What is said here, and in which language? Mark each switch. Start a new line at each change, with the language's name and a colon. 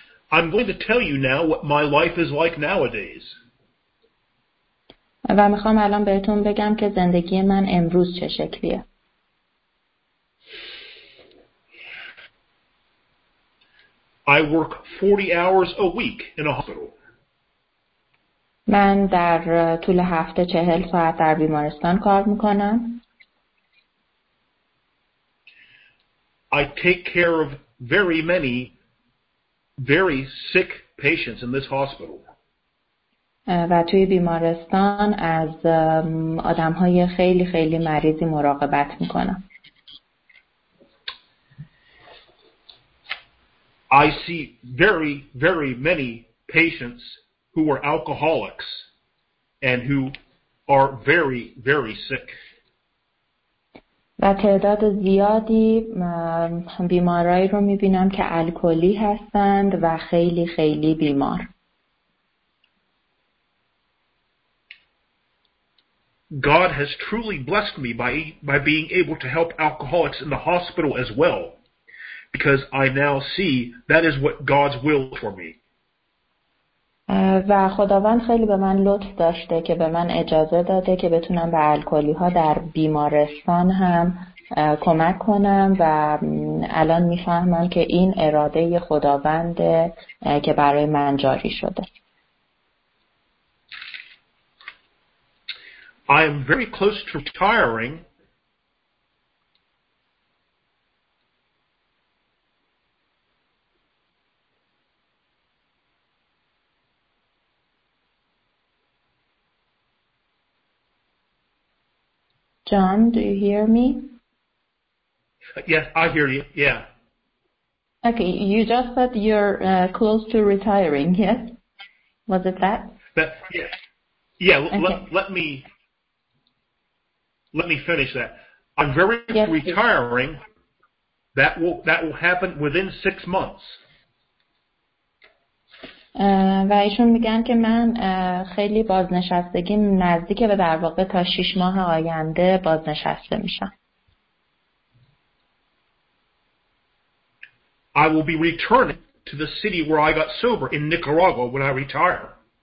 English: I'm going to tell you now what my life is like nowadays.
Persian: و میخوام الان بهتون بگم که زندگی من امروز چه شکلیه.
English: I work 40 hours a week in a hospital.
Persian: من در طول هفته 40 ساعت در بیمارستان کار میکنم.
English: I take care of very many very sick patients in this hospital.
Persian: و توی بیمارستان از آدمهای خیلی خیلی مریضی مراقبت میکنم.
English: I see very very many patients who are alcoholics and who are very very sick.
Persian: و تعداد زیادی بیمارایی رو میبینم که الکلی هستند و خیلی خیلی بیمار.
English: God has truly blessed me by being able to help alcoholics in the hospital as well, because I now see that is what God's will for me.
Persian: و خداوند خیلی به من لطف داشته که به من اجازه داده که بتونم به الکلی‌ها در بیمارستان هم کمک کنم و الان میفهمم که این اراده خداونده که برای من جاری شده.
English: I am very close to retiring. John, do you hear me? Yes, I hear you. Yeah. Okay, you just said you're close to retiring, yes? Was it that? That yes. Yeah, okay. Let me finish that. I'm very close to retiring. Please. That will happen within 6 months.
Persian: و ایشون میگن که من خیلی بازنشستگی نزدیک به در واقع تا 6 ماه آینده بازنشسته میشم.
English: I will be returning to the city where I got sober in Nicaragua when I retire.